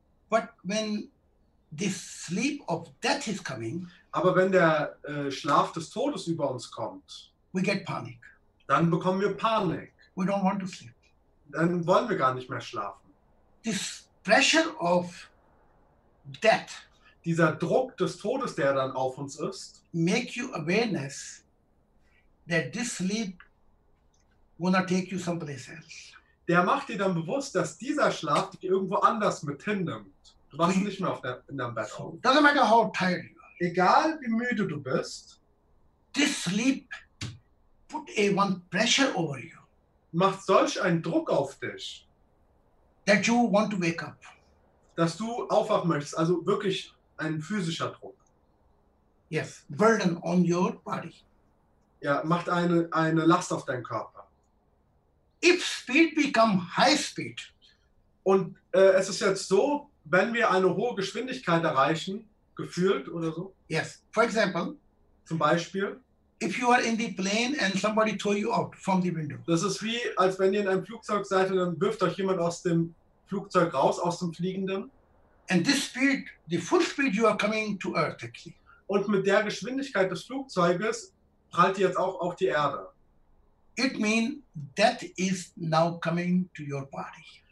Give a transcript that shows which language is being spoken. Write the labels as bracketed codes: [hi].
[en] But when the sleep of death is coming, [de] aber wenn der Schlaf des Todes über uns kommt, [en] we get panic. [de] Dann bekommen wir Panik. [en] We don't want to sleep. [de] Dann wollen wir gar nicht mehr schlafen. [en] This pressure of death, [de] dieser Druck des Todes, der dann auf uns ist, [en] make you awareness that this sleep gonna take you someplace else. [de] Der macht dir dann bewusst, dass dieser Schlaf dich irgendwo anders mit hinnimmt. Du wachst nicht mehr in deinem Bett auf. [en] Doesn't matter how tired you are. [de] Egal wie müde du bist, [en] this sleep put a one pressure over you. [de] Macht solch einen Druck auf dich, [en] that you want to wake up. [de] Dass du aufwachen möchtest, also wirklich ein physischer Druck. [en] Yes, burden on your body. [de] Ja, macht eine Last auf deinen Körper. [en] If speed become high speed. [de] Und es ist jetzt so, wenn wir eine hohe Geschwindigkeit erreichen, gefühlt oder so. [en] Yes. For example. [de] Zum Beispiel. [en] If you are in the plane and somebody throw you out from the window. [de] Das ist wie, als wenn ihr in einem Flugzeug seid und dann wirft euch jemand aus dem Flugzeug raus, aus dem Fliegenden. [en] And this speed, the full speed, you are coming to Earth. [de] Und mit der Geschwindigkeit des Flugzeuges prallt jetzt auch auf die Erde. [en] It means that is now coming to your body.